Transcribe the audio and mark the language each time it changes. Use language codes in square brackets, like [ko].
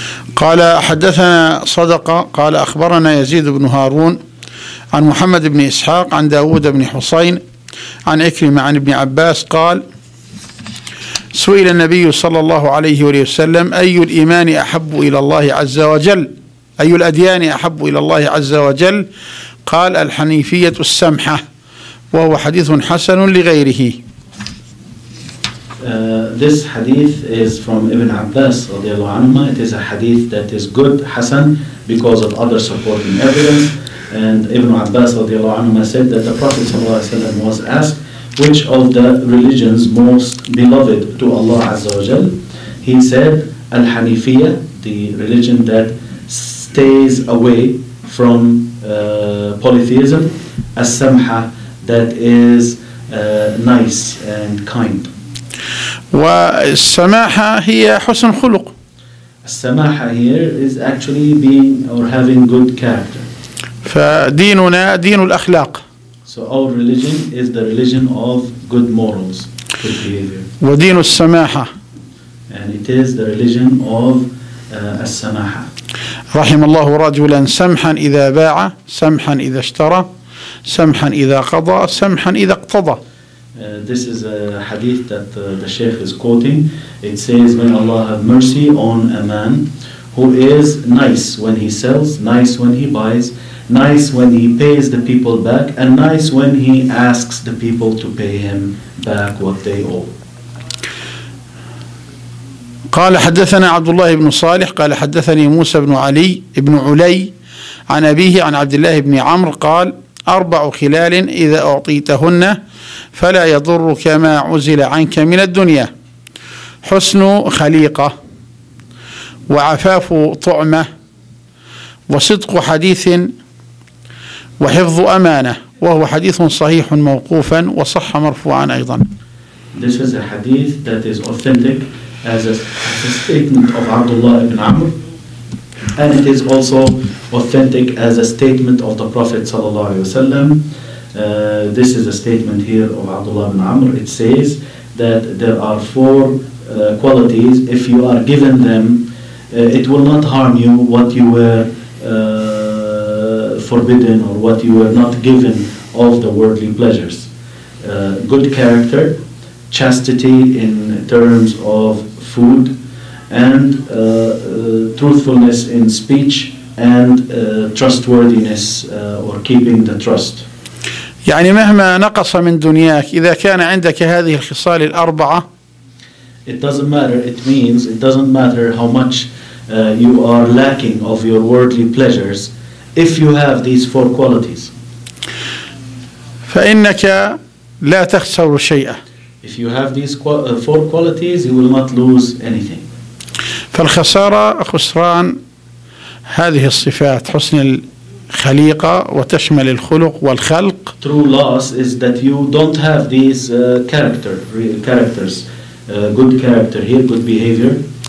[ar] قال حدثنا صدقة قال أخبرنا يزيد بن هارون عن محمد بن إسحاق عن داود بن حصين عن إكرمة عن ابن عباس قال سئل النبي صلى الله عليه وسلم أي الإيمان أحب إلى الله عز وجل، أي الأديان أحب إلى الله عز وجل؟ قال الحنيفية السمحة، وهو حديث حسن لغيره. [en] This hadith is from Ibn Abbas radiallahu anhu. It is a hadith that is good, Hassan, because of other supporting evidence. And Ibn Abbas radiallahu anhu said that the Prophet sallallahu alaihi wasallam was asked which of the religions most beloved to Allah azza wa jal. He said al-Hanifiyya, the religion that stays away from polytheism, as-Samha, that is nice and kind. [ar] والسماحة هي حسن خلق. [en] السماحة here is actually being or having good character. [ar] فديننا دين الأخلاق. [en] So our religion is the religion of good morals, good behavior. [ar] ودين السماحة. [en] And it is the religion of السماحة. [ar] رحم الله رجلا سمحا إذا باع، سمحا إذا اشترى، سمحا إذا قضى، سمحا إذا اقتضى. [en] This is a hadith that the Sheikh is quoting. It says, may Allah have mercy on a man who is nice when he sells, nice when he buys, nice when he pays the people back, and nice when he asks the people to pay him back what they owe. [ar] قال حدثنا عبد الله بن صالح قال حدثني موسى بن علي بن علي عن أبيه عن عبد الله بن عمرو قال أربع خلال إذا أعطيتهن فلا يضرك ما عزل عنك من الدنيا: حسن خليقة، وعفاف طعمة، وصدق حديث، وحفظ أمانة. وهو حديث صحيح موقوفا وصح مرفوعا أيضا. [en] This is a hadith that is authentic as a statement of Abdullah ibn Amr, and it is also authentic as a statement of the Prophet [ar] صلى الله عليه وسلم. [en] This is a statement here of Abdullah ibn Amr. It says that there are four qualities. If you are given them, it will not harm you what you were forbidden or what you were not given of the worldly pleasures. Good character, chastity in terms of food, and truthfulness in speech, and trustworthiness or keeping the trust. [ar] يعني مهما نقص من دنياك إذا كان عندك هذه الخصال الأربعة. [en] It doesn't matter. It means it doesn't matter how much you are lacking of your worldly pleasures if you have these four qualities. [ar] فإنك لا تخسر شيئا. [en] If you have these four qualities, you will not lose anything. [ar] فالخسارة خسران هذه الصفات حسن خليقة وتشمل الخلق والخلق. [en] True loss is that you don't have these characters, good character here, good behavior.